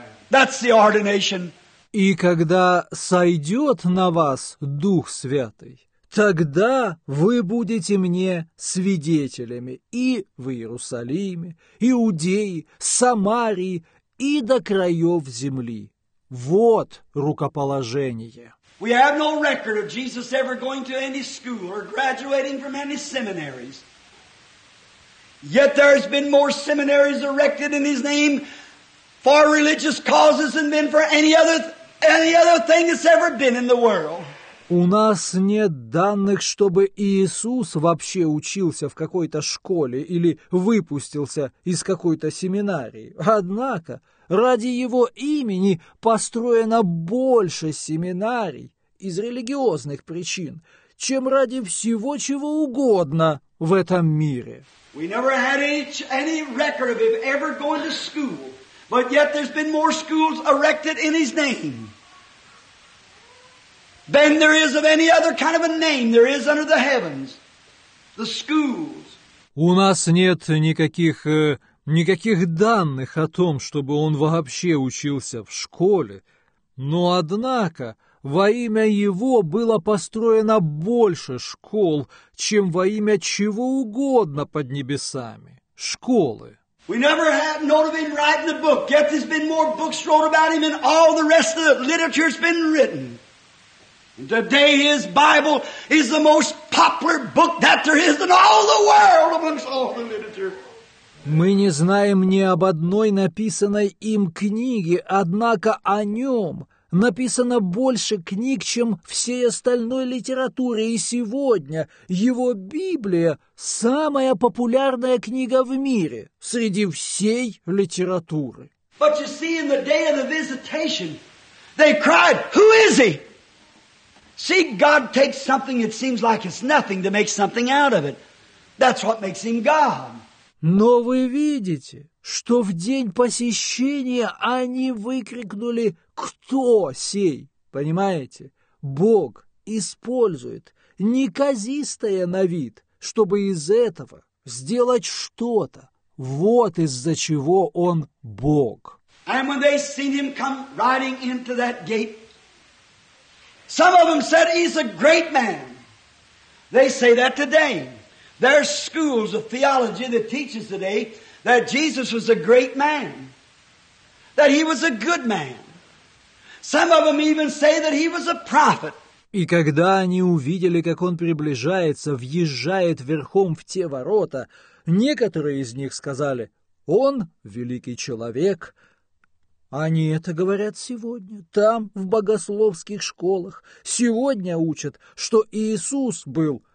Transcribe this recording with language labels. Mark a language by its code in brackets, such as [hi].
[en] That's the ordination. [ru] И когда сойдет на вас Дух Святый, тогда вы будете мне свидетелями и в Иерусалиме, Иудее, Самарии и до краев земли. Вот рукоположение. [en] We have no record of Jesus ever going to any school or graduating from any seminaries. Yet there has been more seminaries erected in his name for religious causes than been for any other thing that's ever been in the world. [ru] У нас нет данных, чтобы Иисус вообще учился в какой-то школе или выпустился из какой-то семинарии. Однако ради его имени построено больше семинарий из религиозных причин, чем ради всего чего угодно в этом мире. [en] We never had any record of him ever going to school, but yet there's been more schools erected in his name than there is of any other kind of a name there is under the heavens. The schools. [ru] У нас нет никаких данных о том, чтобы он вообще учился в школе, но однако во имя его было построено больше школ, чем во имя чего угодно под небесами. Школы. [en] We never have known of him writing a book, yet there's been more books wrote about him than all the rest of the literature's been written. And today his Bible is the most popular book that there is in all the world amongst all the literature. [ru] Мы не знаем ни об одной написанной им книге, однако о нем написано больше книг, чем всей остальной литературе, и сегодня его Библия – самая популярная книга в мире среди всей литературы. [en] But you see, in the day of the visitation, they cried, who is he? See, God takes something that seems like it's nothing to make something out of it. That's what makes him God. [ru] Но вы видите, что в день посещения они выкрикнули «Кто сей?». Понимаете? Бог использует неказистое на вид, чтобы из этого сделать что-то. Вот из-за чего он Бог. [en] And when they seen him come riding into that gate, some of them said he's a great man. They say that today. There's schools of theology that teaches today that Jesus was a great man, that he was a good man. Some of them even say that he was a prophet. [ru] И когда они увидели, как он приближается, въезжает верхом в те ворота, некоторые из них сказали, он великий человек. Они это говорят сегодня, там, в богословских школах. Сегодня учат, что Иисус был